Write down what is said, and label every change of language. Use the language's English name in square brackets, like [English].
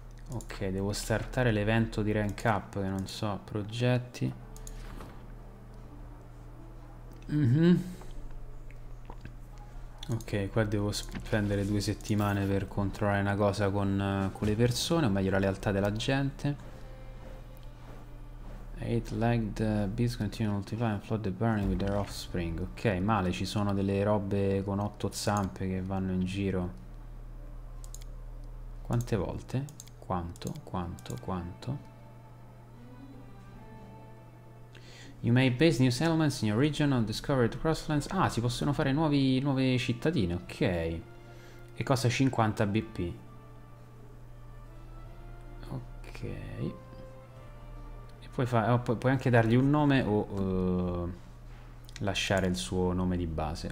[Italian] Ok, devo startare l'evento di rank up, che non so, progetti. Ok, qua devo spendere 2 settimane per controllare una cosa con le persone, o meglio la lealtà della gente. [English] 8-legged beasts continue to multiply and flood the barony with their offspring. [Italian] Ok, male, ci sono delle robe con 8 zampe che vanno in giro. Quante volte? Quanto? Quanto? Quanto? [English] You may base new settlements in your region on discovered crosslands. [Italian] Ah, si possono fare nuove cittadine, ok. E costa 50 BP. E puoi fare, puoi anche dargli un nome o lasciare il suo nome di base.